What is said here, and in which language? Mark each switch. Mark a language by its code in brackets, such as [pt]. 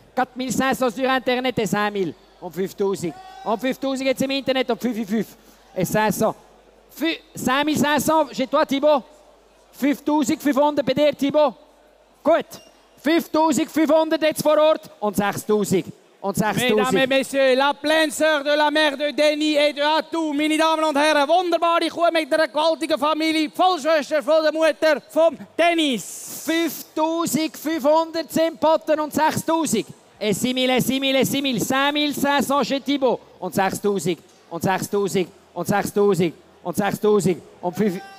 [fr] 4,500 sur Internet, et 5,000. [de] Um 5'000. Um 5'000 jetzt im Internet, um 5,500. [fr] Et 5,500. 5,500, chez toi Thibaut? [de] 5'500 bei dir, Thibaut. Gut. 5'500 jetzt vor Ort und 6'000. und 6'000. [fr] Mesdames et messieurs, la pleine sœur de la mère de Denis et de Atou. [de] Meine Damen und Herren, wunderbare Kuh mit einer gewaltigen Familie, Vollschwester von der Mutter von Denis. 5'500 Zimpotten und 6'000. [fr] Et 6'000, 6'000, 6'000, 5'500 chez Thibaut. [de] Und 6'000, und 6'000, und 6'000, und 6'000, und 5'000.